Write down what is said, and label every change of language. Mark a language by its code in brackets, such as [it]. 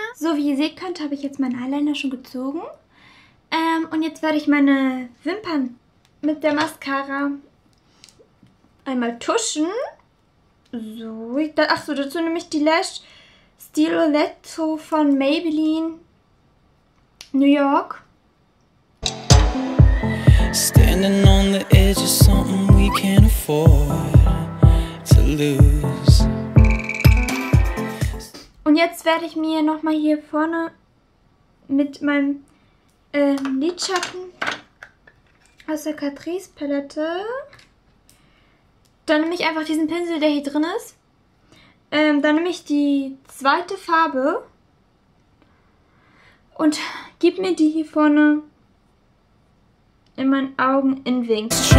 [de] So wie ihr sehen könnt, habe ich jetzt meinen Eyeliner schon gezogen. Und jetzt werde ich meine Wimpern mit der Mascara einmal tuschen. So, dazu nehme ich die Lash Stiletto von Maybelline New York. [en] Standing on the edge of something we can't afford to lose. [de] Und jetzt werde ich mir nochmal hier vorne mit meinem Lidschatten aus der Catrice Palette. Dann nehme ich einfach diesen Pinsel, der hier drin ist. Dann nehme ich die zweite Farbe und gebe mir die hier vorne in meinen Augen in Winkel.